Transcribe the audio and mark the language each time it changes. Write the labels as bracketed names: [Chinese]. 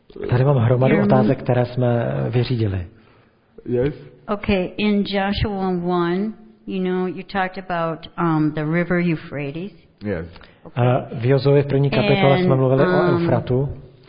[Czech] Tady mám hromadu otázek, které jsme vyřídili. [English] Yes? Okay, in Joshua 1, you know, you talked about the river Euphrates. Yes. [Czech] V Jozuovi v první kapitole jsme mluvili o Eufratu.